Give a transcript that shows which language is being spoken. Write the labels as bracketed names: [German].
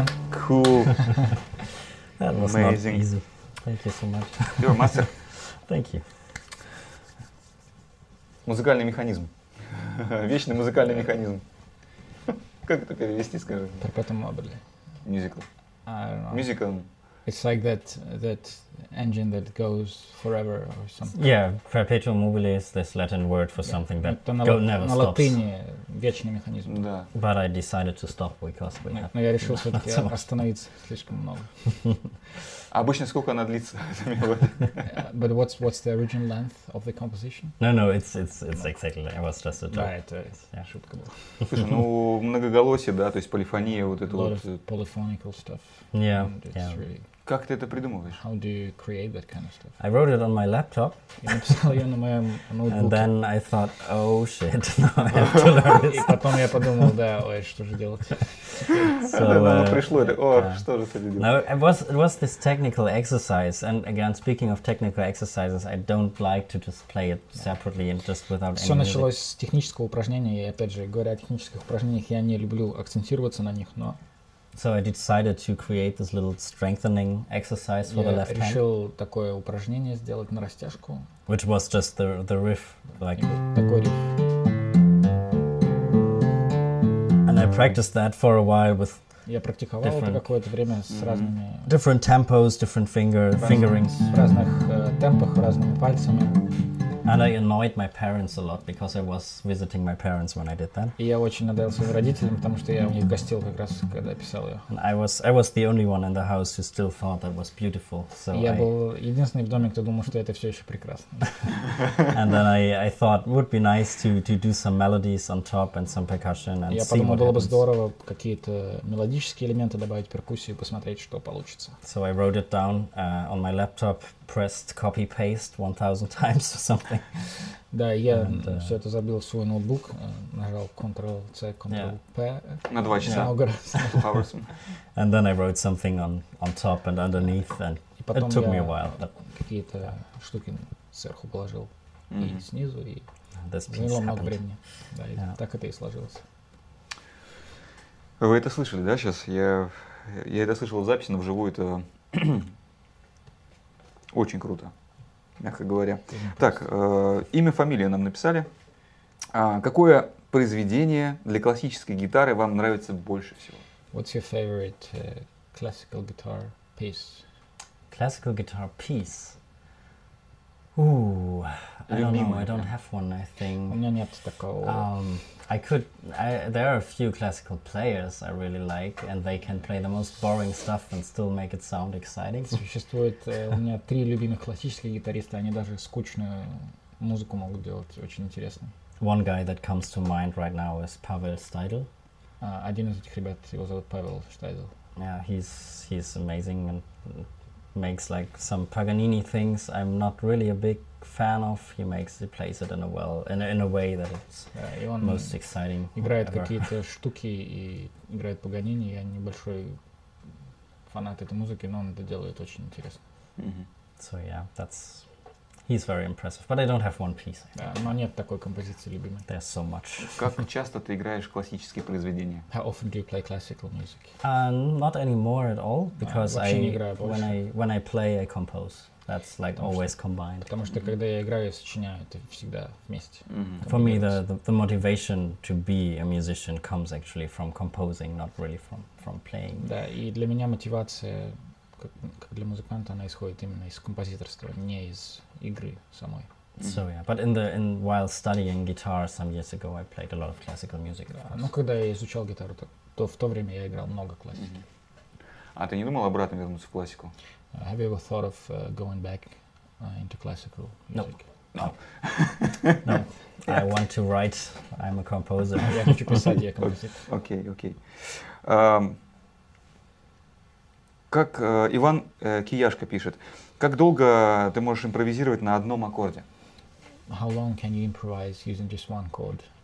[English] cool. That was amazing. Not easy. Thank you so much. You're a master. Thank you. [Russian] Музыкальный механизм. Вечный музыкальный механизм. Как это перевести, скажем? [English] Perpetuum mobile. Musical. I don't know. Musical. It's like that engine that goes forever or something. Yeah, perpetuum mobile is this Latin word for something that never stops. [Russian] На латыни вечный механизм. Да. [English] But I decided to stop because we [Russian] have... Но я решил все-таки остановиться слишком много. Обычно сколько она длится? [English] But what's the original length of the composition? No, it's exactly. It was just a joke. Right, yeah. [Russian] Шутка была. Слушай, ну многоголосие, да, то есть полифония вот это вот. [English] A lot of polyphonical stuff. Yeah, yeah. Really... [Russian] Как ты это придумываешь? [English] How do you create that kind of stuff? I wrote it on my laptop. And then I thought, oh shit, now I have to learn this. [Russian] И потом я подумал, да, ой, что же делать? So, да, оно пришло, это, о, что же ты делаешь? [English] Now, it was this technical exercise, and again, speaking of technical exercises, I don't like to just play it separately and just without any music. [Russian] Все началось с технического упражнения, и опять же, говоря о технических упражнениях, я не люблю акцентироваться на них, но... [English] So I decided to create this little strengthening exercise for the left hand. [Russian] Я решил такое упражнение сделать на растяжку. [English] Which was just the riff, like... [Russian] Такой риф. [English] And I practiced that for a while with different tempos, different fingerings. [Russian] В разных темпах, разными пальцами. [English] And I annoyed my parents a lot because I was visiting my parents when I did that. [Russian] И я очень надоел своим родителям, потому что я у них гостил как раз, когда писал ее. [English] And I was the only one in the house who still thought that was beautiful. So [Russian] я был единственный в доме, кто думал, что это все еще прекрасно. [English] And then I thought would be nice to do some melodies on top and some percussion and what happens. [Russian] Я подумал, было бы здорово какие-то мелодические элементы добавить, перкуссию, посмотреть, что получится. [English] So I wrote it down on my laptop. Pressed copy paste 1000 times or something. [Russian] Да, я все это забил в свой ноутбук, нажал Ctrl C, Ctrl P. На 2 часа. Много раз. [English] 2 hours. And then I wrote something on top and underneath, and it took me a while. [Russian] Потом я какие-то штуки сверху положил и снизу, и заняло много времени. Да, так это и сложилось. Вы это слышали, да? Сейчас я это слышал в записи, но вживую это. Очень круто, мягко говоря. Так, имя, фамилию нам написали. Какое произведение для классической гитары вам нравится больше всего? [English] What's your favorite classical guitar piece? Classical guitar piece? Ooh, I don't know, I don't have one, I think. [Russian] У меня нет такого. [English] There are a few classical players I really like, and they can play the most boring stuff and still make it sound exciting. [Russian] Существует у меня три любимых классических гитариста, они даже скучную музыку могут делать очень интересно. [English] One guy that comes to mind right now is Pavel Steidl. [Russian] Один из этих ребят, его зовут Павел Штайдл. [English] Yeah, he's amazing and makes like some Paganini things. I'm not really a big fan of. He plays it in a way that it's most exciting. [Russian] Играет какие-то штуки и играет Паганини. Я небольшой фанат этой музыки, но он это делает очень интересно. [English] So yeah, he's very impressive. But I don't have one piece. [Russian] Но нет такой композиции любимой. [English] There's so much. [Russian] Как часто ты играешь классические произведения? [English] How often do you play classical music? Not anymore at all, because when I play, I compose. That's like always combined. [Russian] Потому что когда я играю, я сочиняю, это всегда вместе. [English] For me, the motivation to be a musician comes actually from composing, not really from playing. [Russian] Да, и для меня мотивация, как для музыканта, она исходит именно из композиторства, не из игры самой. [English] So yeah, but while studying guitar some years ago, I played a lot of classical music. [Russian] Ну, когда я изучал гитару, то в то время я играл много классики. А ты не думал обратно вернуться в классику? [English] Have you ever thought of going back into classical music? No. I want to write. I'm a composer. [Russian] Я хочу писать, я композитор. Окей. Как Иван Кияшко пишет, как долго ты можешь импровизировать на одном аккорде? [English] How long can you improvise using just one chord?